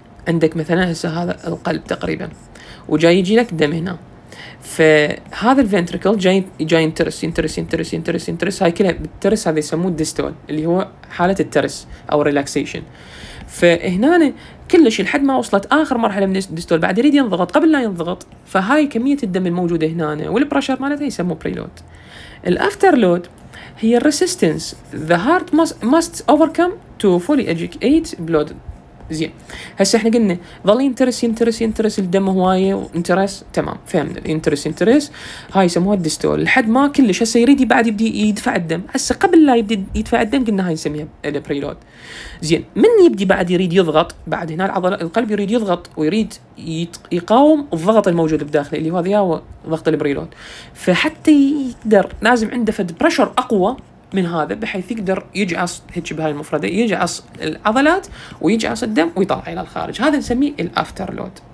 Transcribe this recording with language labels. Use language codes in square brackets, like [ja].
[ar] عندك مثلا هسه هذا القلب تقريبا وجاي يجي لك دم هنا، فهذا الفنتريكل جاي ينترس ينترس ينترس ينترس ينترس، هاي كلها بالترس هذا يسموه ديستول اللي هو حالة الترس أو ريلاكسيشن. فهنا كلش لحد ما وصلت آخر مرحلة من الديستول بعد يريد ينضغط قبل لا ينضغط، فهاي كمية الدم الموجودة هنا والبرشر مالتها يسموه بريلود. الأفترلود هي الريسيستنس [en] the heart must overcome to fully ejaculate blood. [ar] زين هسه احنا قلنا ظل ينترس ينترس ينترس الدم هواية وانترس، تمام فهمنا ينترس ينترس هاي يسموها الديستول لحد ما كلش، هسه يريد بعد يبدي يدفع الدم، هسه قبل لا يبدي يدفع الدم قلنا هاي نسميها البريلود. زين من يبدي بعد يريد يضغط بعد هنا العضلة القلب يريد يضغط ويريد يقاوم الضغط الموجود بداخله اللي هو هذا ضغط البريلود، فحتى يقدر لازم عنده فد بريشر اقوى من هذا بحيث يقدر يجعص هيك بهاي المفردة يجعص العضلات ويجعص الدم ويطلع إلى الخارج، هذا نسميه الافتر لود.